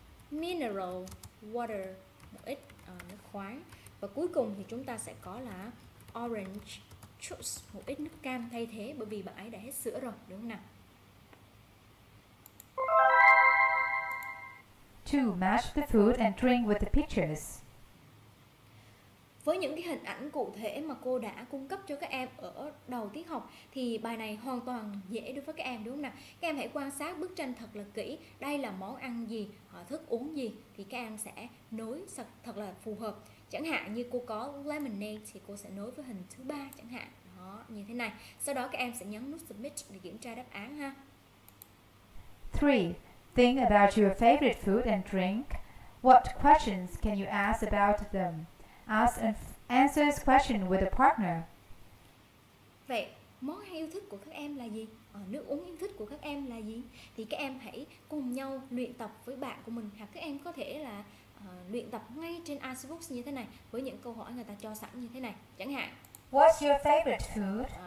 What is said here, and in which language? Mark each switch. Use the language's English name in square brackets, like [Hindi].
[Vietnamese] Mineral water, một ít nước khoáng. Và cuối cùng thì chúng ta sẽ có là orange juice, một ít nước cam thay thế, bởi vì bạn ấy đã hết sữa rồi, đúng không nào? 2. [English] Match the food and drink with the pictures. [Vietnamese] Với những cái hình ảnh cụ thể mà cô đã cung cấp cho các em ở đầu tiết học thì bài này hoàn toàn dễ đối với các em, đúng không nào? Các em hãy quan sát bức tranh thật là kỹ. Đây là món ăn gì, họ thức uống gì thì các em sẽ nối thật là phù hợp. Chẳng hạn như cô có lemonade thì cô sẽ nối với hình thứ 3 chẳng hạn. Đó, như thế này. Sau đó các em sẽ nhấn nút submit để kiểm tra đáp án ha. [English] 3. Think about your favorite food and drink. What questions can you ask about them? Ask and answer this question with a partner. [Vietnamese] Vậy, món ăn yêu thích của các em là gì? Nước uống yêu thích của các em là gì? Thì các em hãy cùng nhau luyện tập với bạn của mình. Hoặc các em có thể là luyện tập ngay trên Icebox như thế này, với những câu hỏi người ta cho sẵn như thế này. Chẳng hạn, [English] what's your favorite food?